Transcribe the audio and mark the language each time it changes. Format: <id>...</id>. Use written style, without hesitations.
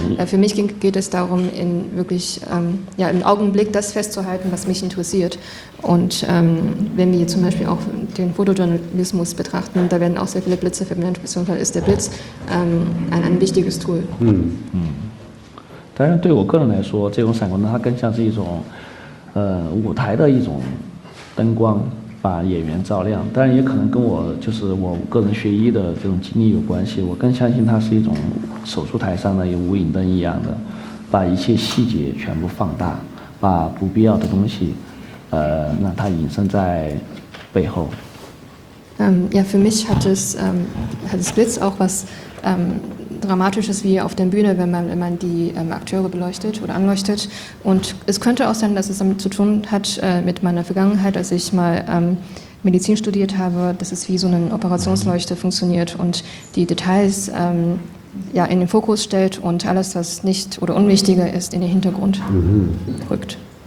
<de>Für mich geht es darum, in wirklich im Augenblick das festzuhalten, was mich interessiert. Und wenn wir zum Beispiel auch den Fotojournalismus betrachten, da werden auch sehr viele Blitze verwendet. Insofern ist der Blitz ein wichtiges Tool.</de> <zh>当然对我个人来说，这种闪光灯它更像是一种舞台的一种灯光，把演员照亮，当然也可能跟我就是我个人学医的这种经历有关系，我更相信它是一种手术台上的一无影灯一样的，把一切细节全部放大，把不必要的东西让它隐身在背后。</zh> <de>Ja, für mich hat das Blitz auch was Dramatisches wie auf der Bühne, wenn man die Akteure beleuchtet oder anleuchtet. Und es könnte auch sein, dass es damit zu tun hat mit meiner Vergangenheit, als ich mal Medizin studiert habe, dass es wie so eine Operationsleuchte funktioniert und die Details in den Fokus stellt und alles, was nicht oder unwichtiger ist, in den Hintergrund rückt.</de>